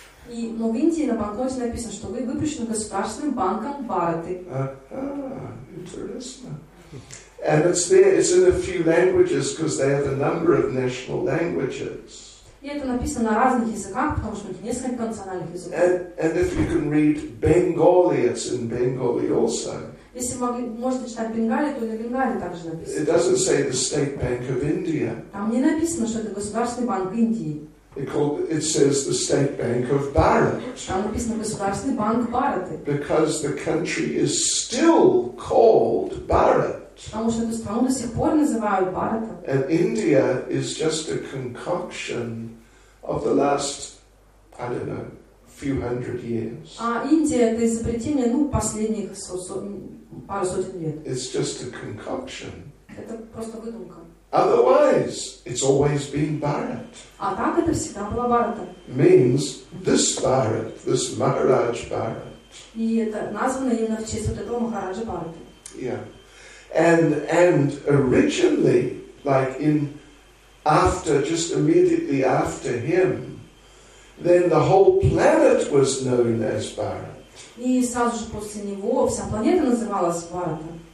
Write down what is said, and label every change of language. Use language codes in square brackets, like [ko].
[ru] И в Индии на банкноте написано, что вы выпущены государственным банком Бхараты. [en] Interesting. And it's there. It's in a few languages because they have a number of national languages. [ru] И это написано на разных языках, потому что у них несколько национальных языков. [en] And if you can read Bengali, it's in Bengali also. [ru] Если вы можете читать Бенгали, то и на Бенгали также написано. [en] It doesn't say the State Bank of India. [ru] Там не написано, что это государственный банк Индии. [en] It says the State Bank of Bharat. [ru] Там написано государственный банк Бхараты. [en] Because the country is still called Bharat. yet. [ru] Потому что эту страну до сих пор называют Бхаратом. [en] And India is just a concoction of the last, I don't know, few hundred years. [ru] А Индия это изобретение, ну, последних пару сотен лет. [en] It's just a concoction. [ru] Это просто выдумка. [en] Otherwise, it's always been Bharat. [ru] А так это всегда было Бхаратом. [en] Means this Bharat, this Maharaj Bharat. [ru] И это названо именно в честь вот этого Махараджа Бхарата. [en] Yeah, and originally, like in after, just immediately after him, then the whole planet was known as Bharat. [ru] И сразу же после него вся планета называлась Бхаратом.